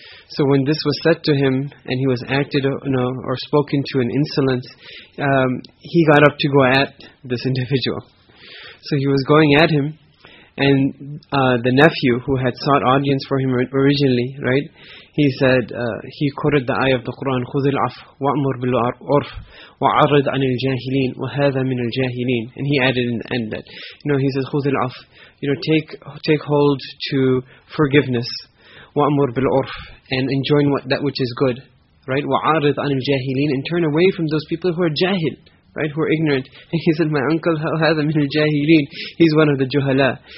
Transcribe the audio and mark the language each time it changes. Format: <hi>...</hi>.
<en>So when this was said to him, and he was acted, you know, or spoken to in insolence, he got up to go at this individual. So he was going at him, and the nephew who had sought audience for him originally, right? He said, he quoted the ayah of the Qur'an,</en> <ar>خُذِ الْعَفْوَ وَأْمُرْ بِالْعُرْفِ وَعَرِضْ عَنِ الْجَاهِلِينَ وَهَذَا مِنَ الْجَاهِلِينَ.</ar> <en>And he added in the end that, you know, he said,</en> <ar>خُذِ الْعَفْوَ,</ar> <en>you know, take hold to forgiveness,</en> <ar>وَأْمُرْ بِالْعُرْفِ,</ar> <en>and enjoin that which is good, right?</en> <ar>وَعَرِضْ عَنِ الْجَاهِلِينَ,</ar> <en>and turn away from those people who are jahil, right, who are ignorant. And he said, my uncle,</en> <ar>هَذَا مِنَ الْجَاهِلِينَ,</ar> <en>he's one of the juhala.</en>